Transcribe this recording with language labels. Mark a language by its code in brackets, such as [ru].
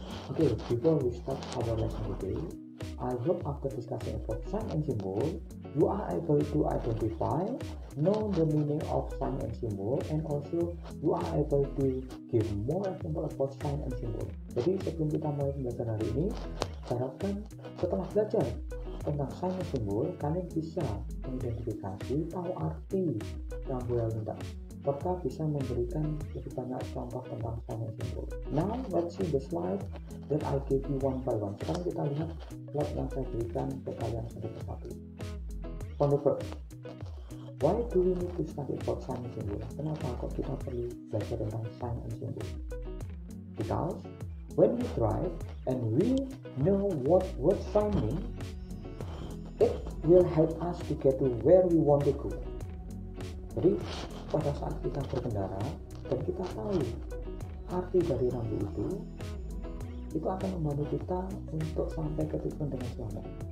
[en] Okay, before we start our lesson today, I hope after discussing about sign and symbol, you are able to identify, know the meaning of sign and symbol, and also you are able to give more example about sign and symbol. [id] Jadi sebelum kita mulai pembelajaran hari ini, saya harapkan setelah belajar tentang sign and symbol, kalian bisa mengidentifikasi, tahu arti rambu lalu lintas, serta bisa memberikan lebih banyak contoh tentang sign and symbol. [en] Now, let's see the slide that I give you one by one. [id] Sekarang kita lihat slide yang saya berikan ke kalian satu persatu. [en] On the first, why do we need to study about sign and symbol? [id] Kenapa kok kita perlu belajar tentang sign and symbol? [en] Because when we drive and we know what word sign means, it will help us to get to where we want to go. [id] Jadi pada saat kita berkendara dan kita tahu arti dari rambu itu akan membantu kita untuk sampai ke tujuan dengan selamat.